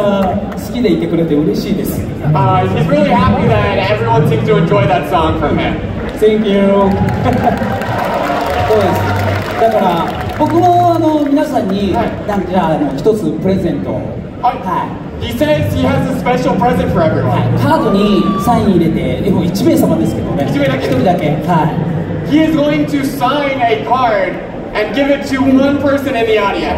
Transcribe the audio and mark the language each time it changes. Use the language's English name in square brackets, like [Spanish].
[English] He's really happy that everyone seems to enjoy that song from him. Thank you. [Japanese] そうです。だから僕もあの皆さんに、はい、じゃあ一つプレゼント。 [English] はい。He says he has a special present for everyone. [Japanese] カードにサイン入れて、でも1名様ですけどね。 1人だけ。 はい。 [English] He is going to sign a card and give it to one person in the audience.